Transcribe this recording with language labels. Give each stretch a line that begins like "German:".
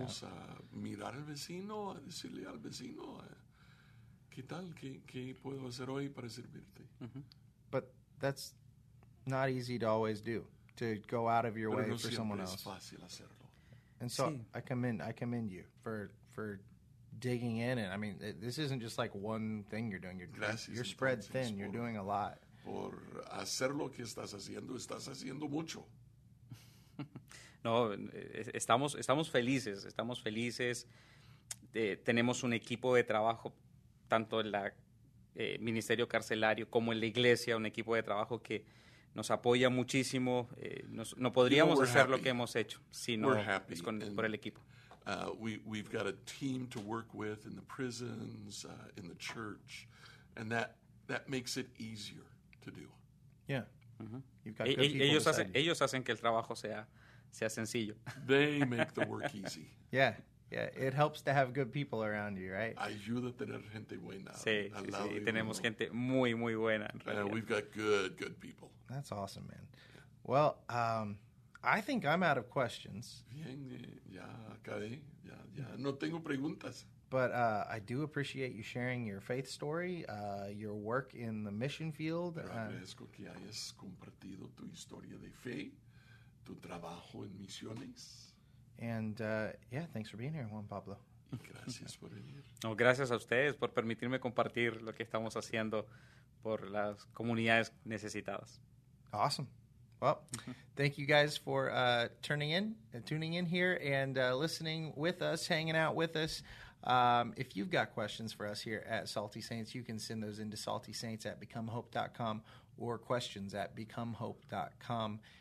Spanish: Nos animamos a mirar al vecino, a decirle al vecino. ¿Qué tal? ¿Qué puedo hacer hoy para servirte? Mm-hmm.
English: But that's not easy to always do, to go out of your
Spanish: pero
English: way
Spanish: no
English: for someone else.
Spanish: Es fácil hacerlo.
English: And so sí. I commend you for digging in. And I mean, this isn't just like one thing you're doing. You're spread thin. You're doing a lot.
Spanish: Por hacer lo que estás haciendo mucho. No, estamos felices. Estamos felices. Tenemos un equipo de trabajo tanto en la Ministerio Carcelario como en la Iglesia, un equipo de trabajo que nos apoya muchísimo. No podríamos hacer
English: happy
Spanish: lo que hemos hecho si no es por el equipo.
English: We've got a team to work with in the prisons, in the church, and that makes it easier to do. Yeah.
Spanish: Ellos hacen que el trabajo sea sencillo.
English: They make the work easy. Yeah. Yeah, it helps to have good people around you, right?
Spanish: Ayuda a tener gente buena. Sí, tenemos gente muy, muy buena.
English: We've got good people. That's awesome, man. Yeah. Well, I think I'm out of questions.
Spanish: Bien, ya acabé. Ya. No tengo preguntas.
English: But I do appreciate you sharing your faith story, your work in the mission field.
Spanish: Agradezco que hayas compartido tu historia de fe, tu trabajo en misiones.
English: And yeah, thanks for being here, Juan Pablo.
Spanish: Gracias por venir. No, gracias a ustedes por permitirme compartir lo que estamos haciendo por las comunidades necesitadas.
English: Awesome. Well, thank you guys for tuning in here and listening with us, hanging out with us. If you've got questions for us here at Salty Saints, you can send those into saltysaints@becomehope.com or questions@becomehope.com.